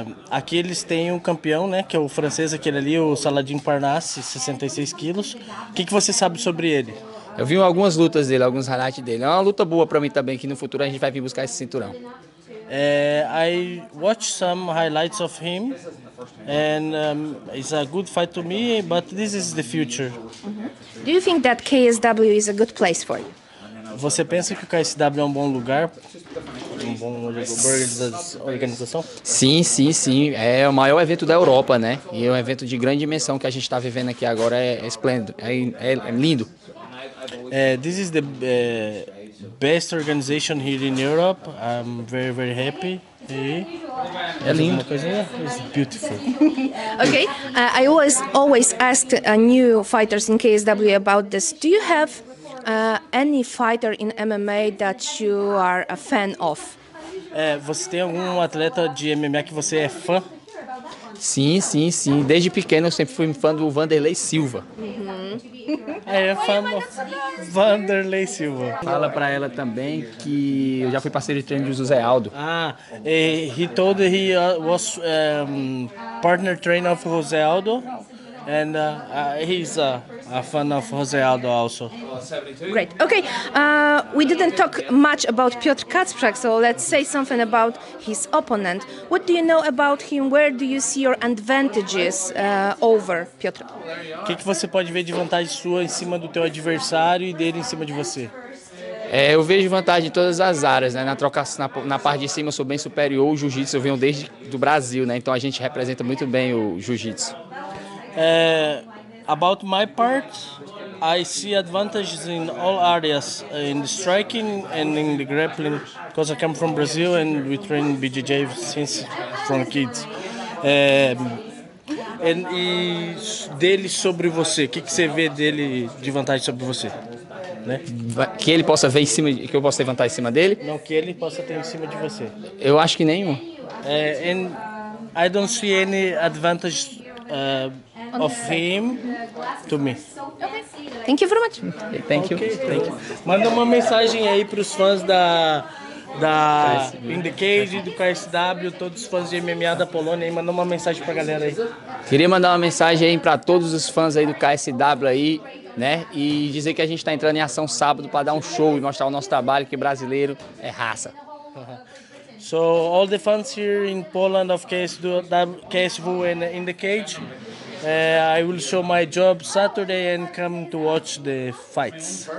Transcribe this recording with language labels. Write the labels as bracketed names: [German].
[Portuguese] Aqui eles têm um campeão, né, que é o francês, aquele ali, o Saladin Parnas, 66 quilos. O que você sabe sobre ele? Eu vi algumas lutas dele, alguns highlights dele. É uma luta boa para mim também, que no futuro a gente vai vir buscar esse cinturão. [English] I watched some highlights of him, and it's a good fight to me, but this is the future. Do you think that KSW is a good place for you? [Portuguese] Você pensa que o KSW é um bom lugar? Um bom organização? Sim, sim, sim. É o maior evento da Europa, né? E é um evento de grande dimensão que a gente está vivendo aqui agora. É esplêndido, é lindo. [English] This is the best organization here in Europe. I'm very, very happy. [Portuguese] É lindo. [English] It's beautiful. Okay, I always ask new fighters in KSW about this. Do you have any fighter in MMA that you are a fan of? [Portuguese] Você tem algum atleta de MMA que você é fã? Sim, sim, sim. Desde pequeno eu sempre fui fã do Vanderlei Silva. É fã do Vanderlei Silva. Fala pra ela também que eu já fui parceiro de treino de José Aldo. [English] He told he was partner trainer of José Aldo. And he's a fan of José Aldo also. Great. Okay, we didn't talk much about Piotr Kacprzak, so let's say something about his opponent. What do you know about him? Where do you see your advantages over Piotr? [Portuguese] Que você pode ver de vantagem sua em cima do teu adversário e dele em cima de você? Eu vejo vantagem em todas as áreas, né? Na troca, na parte de cima eu sou bem superior. O jiu-jitsu eu venho desde do Brasil, né? Então a gente representa muito bem o jiu-jitsu. [English] About my part, I see advantages in all areas, in the striking and in the grappling, because I come from Brazil and we train BJJ since from kids. [Portuguese] E dele sobre você, o que, que você vê dele de vantagem sobre você? Né? Que ele possa ver em cima, que eu possa levantar em cima dele? Não, que ele possa ter em cima de você. Eu acho que nenhum. [English] And I don't see any advantage of him to me. Thank you very much. Thank you. Okay, thank you. [Portuguese] Manda uma mensagem aí para os fãs da In The Cage, do KSW, todos os fãs de MMA da Polônia, aí manda uma mensagem pra galera aí. Queria mandar uma mensagem aí pra todos os fãs aí do KSW aí, né, e dizer que a gente tá entrando em ação sábado pra dar um show e mostrar o nosso trabalho, que brasileiro é raça. [English] So, all the fans here in Poland of KSW and In The Cage, I will show my job Saturday and come to watch the fights.